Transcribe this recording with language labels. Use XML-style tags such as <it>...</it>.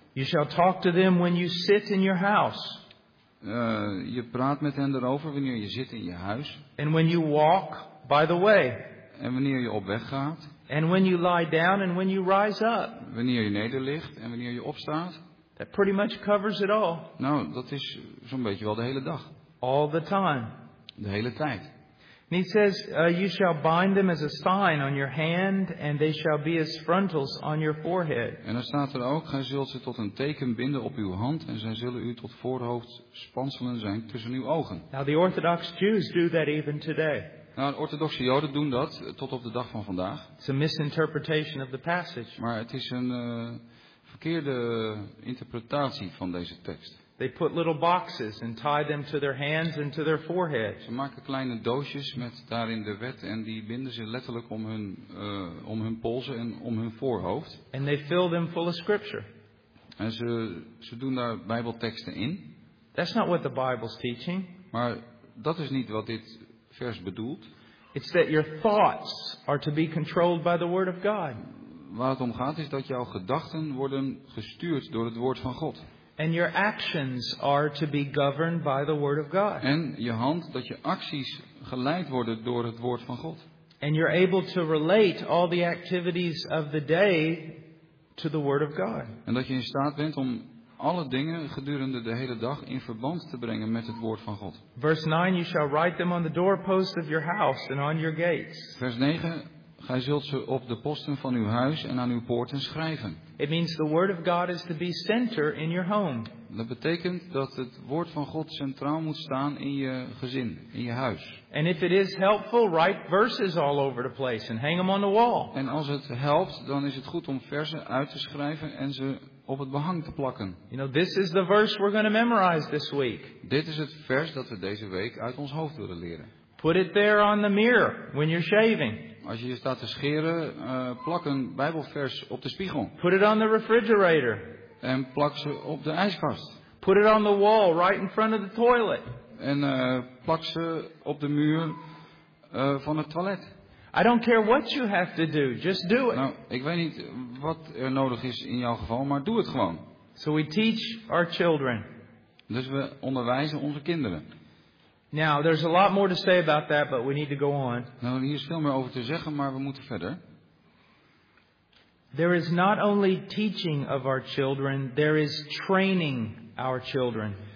<en>You shall talk to them when you sit in your house.</en> <nl>Je praat met hen erover wanneer je zit in je huis.</nl> <en>And when you walk by the way.</en> <nl>En wanneer je op weg gaat.</nl> <en>And when you lie down and when you rise up.</en> <nl>Wanneer je nederligt en wanneer je opstaat.</nl> <en>That pretty much covers it all.</en> <nl>Nou, dat is zo'n beetje wel de hele dag.</nl> <en>All the time.</en> <nl>De hele tijd.</nl> <en>And he says, you shall bind them as a sign on your hand, and they shall be as frontals on your forehead.</en> <nl>En dan staat er ook, gij zult ze tot een teken binden op uw hand, en zij zullen u tot voorhoofd spanselen zijn tussen uw ogen.</nl> <en>Now the Orthodox Jews do that even today.</en> <nl>Nou, de orthodoxe Joden doen dat tot op de dag van vandaag.</nl> <en>It's a misinterpretation of the passage.</en> <nl>Maar het is een verkeerde interpretatie van deze tekst.</nl> <en>They put little boxes and tie them to their hands and to their forehead.</en> <nl>Ze maken kleine doosjes met daarin de wet en die binden ze letterlijk om hun polsen en om hun voorhoofd.</nl> <en>And they fill them full of scripture.</en> <nl>En ze doen daar Bijbelteksten in.</nl> <en>That's not what the Bible's teaching.</en> <nl>Maar dat is niet wat dit vers bedoelt.</nl> <en>It's that your thoughts are to be controlled by the word of God.</en> <nl>Waar het om gaat is dat jouw gedachten worden gestuurd door het woord van God.</nl> <en>And your actions are to be governed by the word of God.</en> <nl>En je hand, dat je acties geleid worden door het woord van God.</nl> <en>And you're able to relate all the activities of the day to the word of God.</en> <nl>En dat je in staat bent om alle dingen gedurende de hele dag in verband te brengen met het woord van God.</nl> <en>Verse 9, you shall write them on the doorposts of your house and on your gates.</en> <nl>Vers 9, gij zult ze op de posten van uw huis en aan uw poorten schrijven.</nl> <en>It means the word of God is to be center in your home.</en> <nl>Dat betekent dat het woord van God centraal moet staan in je gezin, in je huis.</nl> <en>And if it is helpful, write verses all over the place and hang them on the wall.</en> <nl>En als het helpt, dan is het goed om verzen uit te schrijven en ze op het behang te plakken.</nl> <en>You know, this is the verse we're going to memorize this week.</en> <nl>Dit is het vers dat we deze week uit ons hoofd willen leren.</nl> <en>Put it there on the mirror when you're shaving.</en> <nl>Als je staat te scheren, plak een Bijbelvers op de spiegel.</nl> <en>Put it on the refrigerator.</en> <nl>En plak ze op de ijskast.</nl> <en>Put it on the wall right in front of the toilet.</en> <nl>En plak ze op de muur van het toilet.</nl> <en>I don't care what you have to do, just do it.</en> <nl>Nou, ik weet niet wat er nodig is in jouw geval, maar doe het gewoon.</nl> <en>So we teach our children.</en> <nl>Dus we onderwijzen onze kinderen.</nl> <en>Now, there's a lot more to say about that, but we need to go on.</en> <nl>Nou, hier is veel meer over te zeggen, maar we moeten verder.</nl> <en>There is not only teaching of our children, there is training our children.</en>